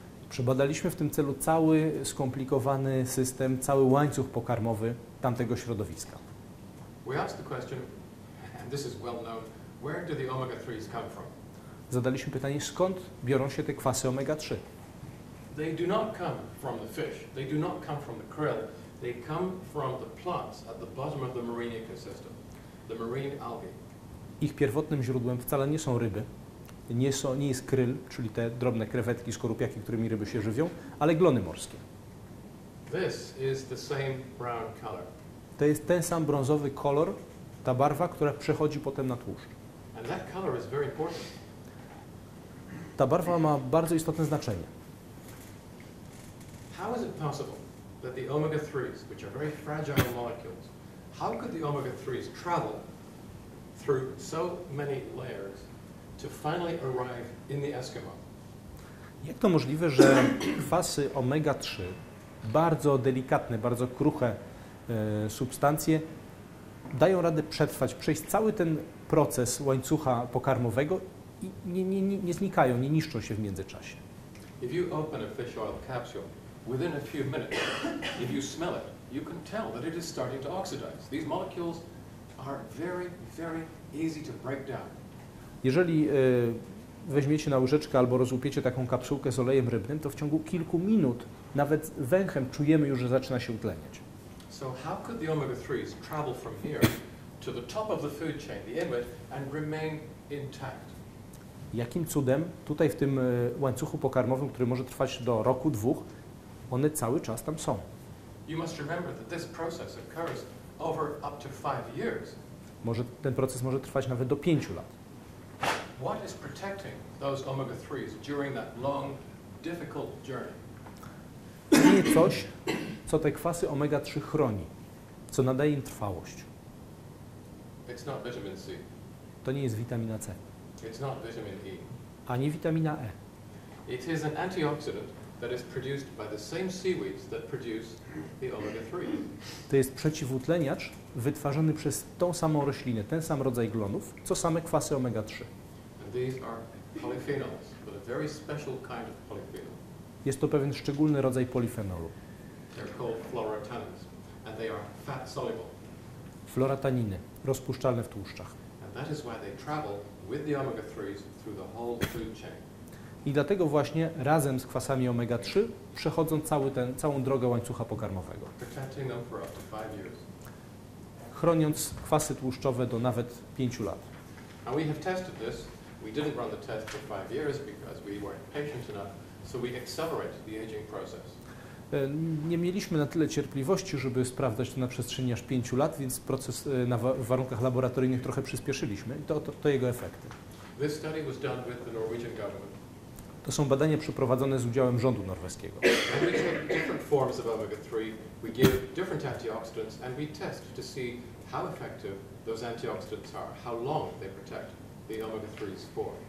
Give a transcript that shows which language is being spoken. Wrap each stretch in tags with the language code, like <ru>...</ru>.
<pl>Przebadaliśmy w tym celu cały skomplikowany system, cały łańcuch pokarmowy tamtego środowiska.</pl> <en>We asked the question, and this is well known, where do the omega-3s come from?</en> <pl>Zadaliśmy pytanie, skąd biorą się te kwasy omega-3?</pl> <en>They do not come from the fish. They do not come from the krill. They come from the plants at the bottom of the marine ecosystem, the marine algae.</en> <pl>Ich pierwotnym źródłem wcale nie są ryby, nie jest kryl, czyli te drobne krewetki, skorupiaki, którymi ryby się żywią, ale glony morskie.</pl> <en>This is the same brown color.</en> <pl>To jest ten sam brązowy kolor, ta barwa, która przechodzi potem na tłuszcz.</pl> <en>And that color is very important.</en> <pl>Ta barwa ma bardzo istotne znaczenie.</pl> <en>How is it possible that the omega-3s, which are very fragile molecules, how could the omega-3s travel through so many layers to finally arrive in the Eskimo?</en> <pl>Jak to możliwe, że kwasy omega-3, bardzo delikatne, bardzo kruche substancje, dają radę przetrwać, przejść cały ten proces łańcucha pokarmowego i nie znikają, nie niszczą się w międzyczasie?</pl> <en>If you open a fish oil capsule, within a few minutes, if you smell it, you can tell that it is starting to oxidize. These molecules are very, very easy to break down.</en> <pl>Jeżeli weźmiecie na łyżeczkę albo rozłupiecie taką kapsułkę z olejem rybnym, to w ciągu kilku minut, nawet węchem, czujemy już, że zaczyna się utleniać.</pl> <en>So how could the omega-3s travel from here to the top of the food chain, the inlet, and remain intact?</en> <pl>Jakim cudem tutaj w tym łańcuchu pokarmowym, który może trwać do roku, dwóch, one cały czas tam są?</pl> <en>You must remember that this process occurs over up to 5 years.</en> <pl>Może ten proces może trwać nawet do 5 lat.</pl> <en>What is protecting those omega-3s during that long, difficult journey?</en> <pl>Nie coś, co te kwasy omega-3 chroni, co nadaje im trwałość.</pl> <en>It's not vitamin C.</en> <pl>To nie jest witamina C.</pl> <en>It's not vitamin E.</en> <pl>Ani witamina E.</pl> <en>It is an antioxidant that is produced by the same seaweeds that produce the omega-3.</en> <pl>To jest przeciwutleniacz wytwarzany przez tą samą roślinę, ten sam rodzaj glonów, co same kwasy omega-3.</pl> <en>And these are polyphenols, but a very special kind of polyphenol.</en> <pl>Jest to pewien szczególny rodzaj polifenolu.</pl> <en>They're called fluorotannins, and they are fat soluble.</en> <pl>Fluorotaniny, rozpuszczalne w tłuszczach.</pl> <en>And that is why they travel with the omega-3s through the whole food chain.</en> <pl>I dlatego właśnie razem z kwasami omega-3 przechodzą całą drogę łańcucha pokarmowego.</pl> <en>Protecting them for up to 5 years.</en> <pl>Chroniąc kwasy tłuszczowe do nawet 5 lat.</pl> <en>And we have tested this. We didn't run the test for 5 years because we weren't patient enough. So we accelerate the aging process.</en> <pl>Nie mieliśmy na tyle cierpliwości, żeby sprawdzać to na przestrzeni aż 5 lat, więc proces na warunkach laboratoryjnych trochę przyspieszyliśmy. To jego efekty.</pl> <en>This study was done with the Norwegian government.</en> <pl>To są badania przeprowadzone z udziałem rządu norweskiego.</pl> <en>We take different forms of omega-3, we give different antioxidants, and we test to see how effective those antioxidants are, how long they protect the omega-3s for.</en>